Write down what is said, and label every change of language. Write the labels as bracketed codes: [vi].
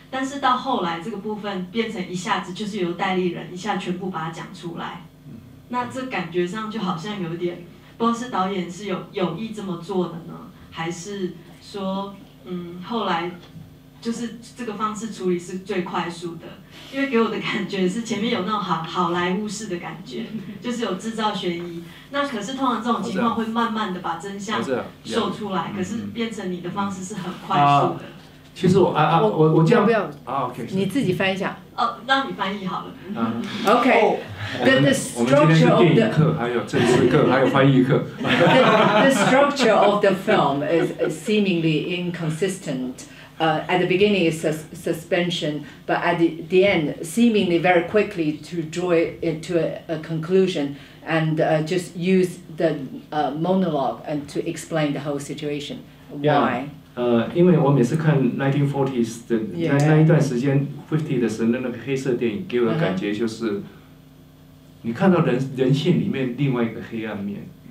[zh] 但是到后来这个部分变成一下子就是由代理人一下全部把它讲出来，那这感觉上就好像有点不知道是导演是有意这么做的呢，还是说后来就是这个方式处理是最快速的，因为给我的感觉是前面有那种好莱坞式的感觉，就是有制造悬疑，那可是通常这种情况会慢慢的把真相秀出来，可是变成你的方式是很快速的。其实我这样不要啊 ，OK，你自己翻一下。哦，让你翻译好了。 OK，我们今天是电影课，还有正式课，还有翻译课。 [en] The structure of the film is seemingly inconsistent. At the beginning, it's suspension, but at the end, seemingly very quickly to draw it to a conclusion and just use the monologue and to explain the whole situation. Why? Yeah. [zh] 因为我每次看 1940s 的 那一段时间 50 的时候，那个黑色电影给我的感觉就是你看到人性里面另外一个黑暗面。